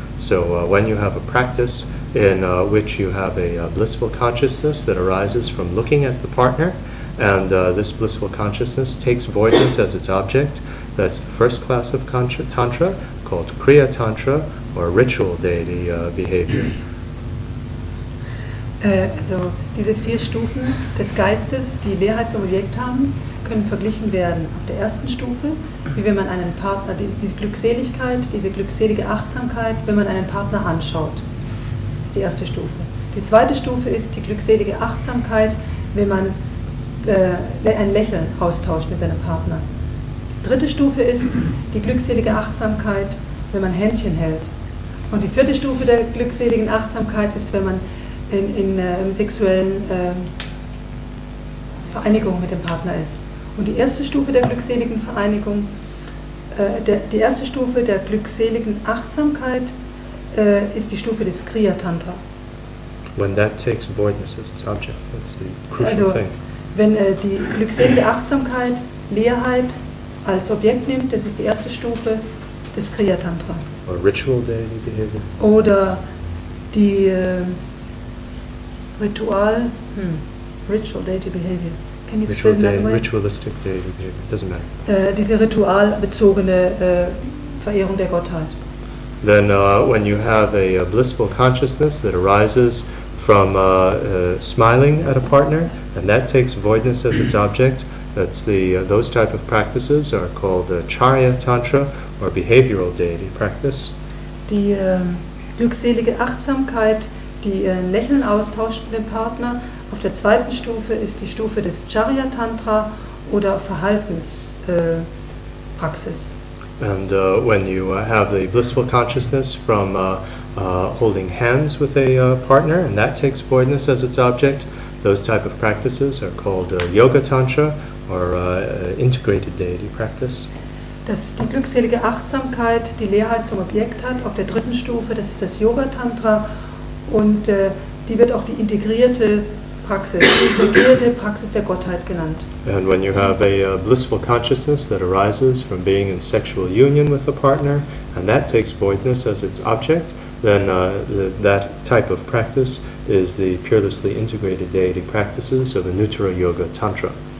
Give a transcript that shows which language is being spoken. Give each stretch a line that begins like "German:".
English: So when you have a practice in which you have a blissful consciousness that arises from looking at the partner, and this blissful consciousness takes voidness as its object, that's the first class of tantra called Kriya Tantra, or ritual deity behavior.
German: Also diese vier Stufen des Geistes, die Lehre zum Objekt haben, können verglichen werden auf der ersten Stufe, wie wenn man einen Partner, diese glückselige Achtsamkeit, wenn man einen Partner anschaut, ist die erste Stufe. Die zweite Stufe ist die glückselige Achtsamkeit, wenn man ein Lächeln austauscht mit seinem Partner. Die dritte Stufe ist die glückselige Achtsamkeit, wenn man Händchen hält. Und die vierte Stufe der glückseligen Achtsamkeit ist, wenn man in sexuellen Vereinigung mit dem Partner ist. Und die erste Stufe der glückseligen Vereinigung, die erste Stufe der glückseligen Achtsamkeit ist die Stufe des Kriya Tantra.
English: When that takes voidness as its object, that's the crucial also, thing.
German: Wenn die glückselige Achtsamkeit Leerheit als Objekt nimmt, das ist die erste Stufe des Kriya Tantra.
English: Or ritual deity behavior.
German: Oder die Ritual,
English: ritual deity behavior. Can you ritual day, ritualistic deity behavior, doesn't matter.
German: Diese ritualbezogene Verehrung der Gottheit.
English: Then when you have a blissful consciousness that arises from smiling at a partner, and that takes voidness as its object, that's the those type of practices are called Charya Tantra, or behavioral deity practice.
German: Die glückselige Achtsamkeit, die ein Lächeln austauscht mit dem Partner, auf der zweiten Stufe ist die Stufe des Charya Tantra oder Verhaltenspraxis.
English: And when you have the blissful consciousness from holding hands with a partner, and that takes voidness as its object, those type of practices are called Yoga Tantra or integrated deity practice.
German: Dass die glückselige Achtsamkeit die Leerheit zum Objekt hat, auf der dritten Stufe, das ist das Yoga Tantra. Und die wird auch die integrierte Praxis der Gottheit genannt.
English: And when you have a blissful consciousness that arises from being in sexual union with a partner, and that takes voidness as its object, then that type of practice is the purelessly integrated deity practices of the Nutra Yoga Tantra.